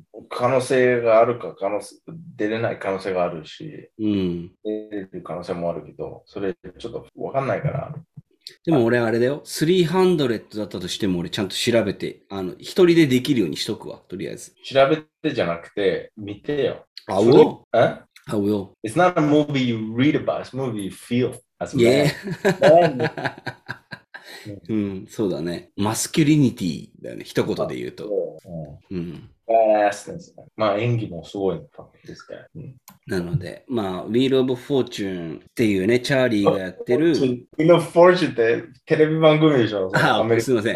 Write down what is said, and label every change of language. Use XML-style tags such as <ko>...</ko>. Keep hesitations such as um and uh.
<ja>可能性があるか可能性、出れない可能性があるし、うん、出る可能性もあるけど、それちょっとわかんないから、でも俺あれだよ。 300だったとしても俺ちゃんと調べて、あの、一人でできるようにしとくわ、とりあえず。調べてじゃなくて、見てよ。</ja> <en>I will? え I will. It's not a movie you read about, it's a movie you feel. As well. Yeah.</en> <ja>うん、うん、そうだね。マスキュリニティだよね、一言で言うと。ーうん。うん、まあ、演技もすごいですから、うん。なので、まあ、ウィール・オブ・フォーチューンっていうね、チャーリーがやってる。ウィール・オブ・フォーチューンってテレビ番組でしょああ、すいません。</ja>